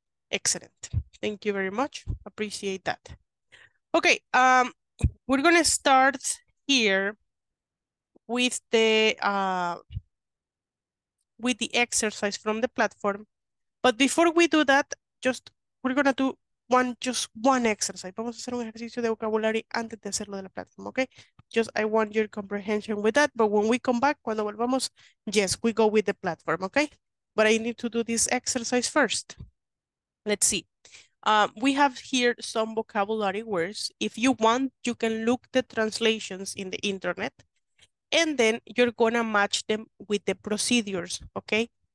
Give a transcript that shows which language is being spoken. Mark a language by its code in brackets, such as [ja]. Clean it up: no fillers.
[en] Excellent. Thank you very much. Appreciate that. Okay, we're going to start here with the exercise from the platform. But before we do that, we're going to do one exercise. [es] Vamos a hacer un ejercicio de vocabulario antes de hacerlo de la plataforma, okay? [en] Just I want your comprehension with that, but when we come back, [es] cuando volvamos, [en] yes, we go with the platform, okay? But I need to do this exercise first. Let's see. We have here some vocabulary words. If you want, you can look the translations in the internet, and then you're going to match them with the procedures, okay?